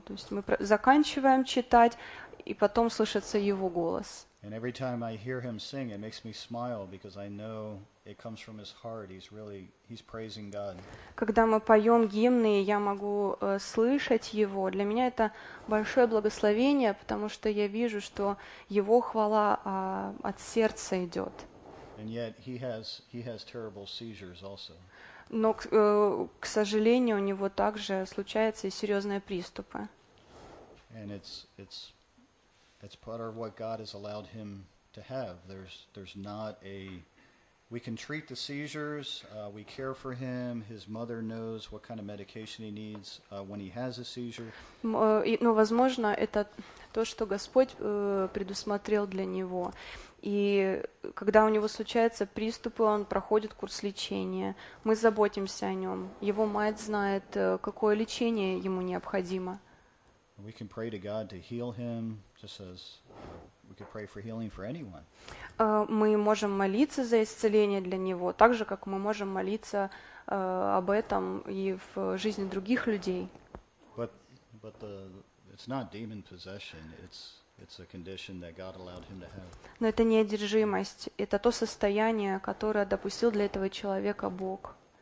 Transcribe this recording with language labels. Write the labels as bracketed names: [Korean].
[Russian] То есть мы заканчиваем читать, и потом слышится его голос. [English] And every time I hear him sing, it makes me smile because I know it comes from his heart. He's praising God. [Russian] Когда мы поем гимны, я могу слышать его. Для меня это большое благословение, потому что я вижу, что его хвала от сердца идет. [English] And yet he has terrible seizures also. [Russian] Но, к сожалению, у него также случаются и серьезные приступы. [English] And it's part of what God has allowed him to have. There's not a... We can treat the seizures, we care for him, his mother knows what kind of medication he needs when he has a seizure. [Russian] Но, возможно, это то, что Господь предусмотрел для него. И когда у него случаются приступы, он проходит курс лечения. Мы заботимся о нем. Его мать знает, какое лечение ему необходимо. [English] We can pray to God to heal him, just as we could pray for healing for anyone. [Russian] Мы можем молиться за исцеление для него, так же, как мы можем молиться об этом и в жизни других людей. [English] But it's not demon possession, it's a condition that God allowed him to have. [Russian] Но это не одержимость, это то состояние, которое допустил для этого человека Бог.